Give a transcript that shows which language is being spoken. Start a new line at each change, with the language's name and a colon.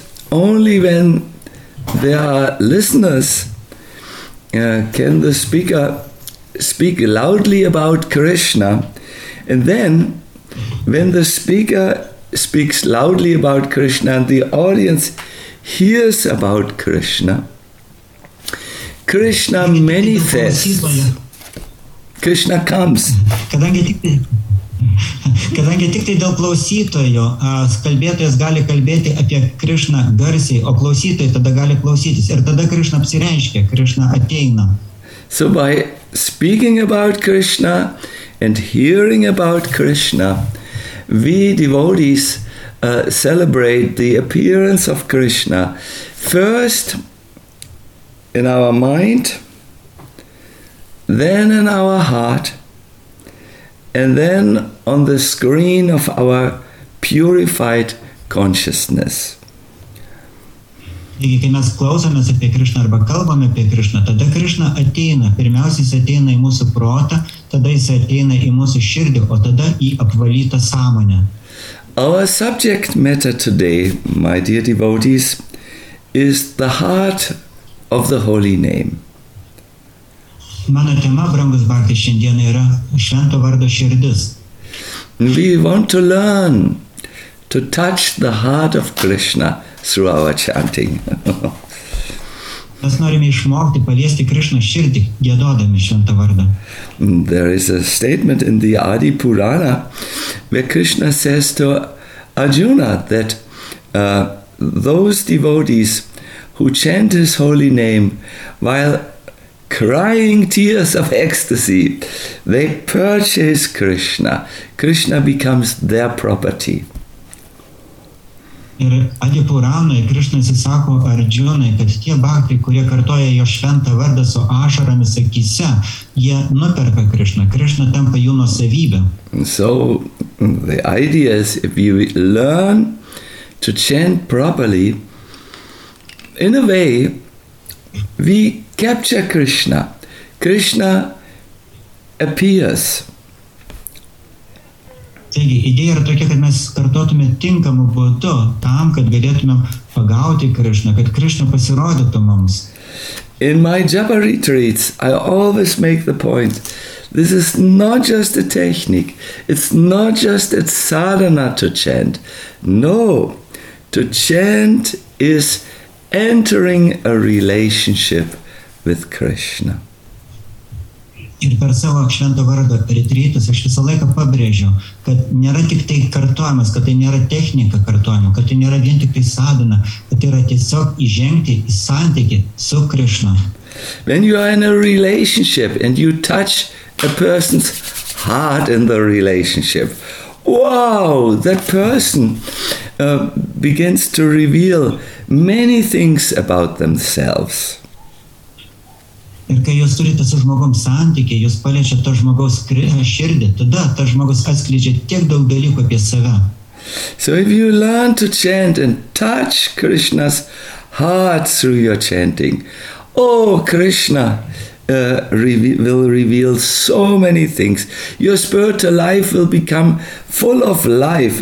English: only when there are listeners can the speaker speak loudly about Krishna, and then when the speaker speaks loudly about Krishna and the audience hears about Krishna, Krishna manifests. Krishna comes.
Lithuanian: Kadangi tik tai dėl klausytojo, kalbėtojas gali kalbėti apie Krishna garsiai, o klausytojai tada gali klausytis. Ir tada Krishna apsireiškia, Krishna ateina.
English: So by speaking about Krishna and hearing about Krishna, we devotees celebrate the appearance of Krishna first in our mind, then in our heart, and then on the screen of our purified consciousness.
Lithuanian: Taigi, kai mes klausomės apie Krishna arba kalbame apie Krishna, tada Krishna ateina. Pirmiausia, jis ateina į mūsų protą, tada jis ateina į mūsų širdį, o tada į apvalytą sąmonę.
English: Our subject matter today, my dear devotees, is the heart of the Holy Name.
Lithuanian: Mano tema, brangus Bhakti, šiandien yra švento vardo širdis.
English: We want to learn to touch the heart of Krishna through our chanting.
Lithuanian: Mes norime išmokti paliesti Krishna širdį, giedodami šventą vardą.
English: There is a statement in the Adi Purana where Krishna says to Arjuna that those devotees who chant his holy name while crying tears of ecstasy, they purchase Krishna. Krishna becomes their property.
Lithuanian: Ir Adi Puranoje Krishna įsisako Arjunai, kad tie bhakti, kurie kartoja jo šventą vardą su ašaromis akise, jie nuperka Krishna. Krishna tampa jų nuosavybė.
English: So the idea is, if you learn to chant properly, in a way we capture Krishna. Krishna appears.
Lithuanian: Taigi, idėja yra tokia, kad mes kartotume tinkamu būdu tam, kad galėtumėm pagauti Krishna, kad Krishna pasirodytų mums.
English: In my japa retreats, I always make the point, this is not just a technique, it's not just a sadhana to chant. No, to chant is entering a relationship with Krishna.
Lithuanian: Ir per savo švento vardo retreatus aš visą laiką pabrėžiau, kad nėra tik tai kartuojamas, kad tai nėra technika kartuojama, kad tai nėra vien tik tai sadana, kad tai yra tiesiog įžengti į santykį su Krishna.
English: When you are in a relationship and you touch a person's heart in the relationship, wow, that person begins to reveal many things about themselves.
Lithuanian: Ir kai jūs turite su žmogom santykį, jūs paliečiate to žmogaus širdį, tada tas žmogus atskleidžia tiek daug dalykų apie save.
English: So if you learn to chant and touch Krishna's heart through your chanting, oh Krishna will reveal so many things. Your spiritual life will become full of life.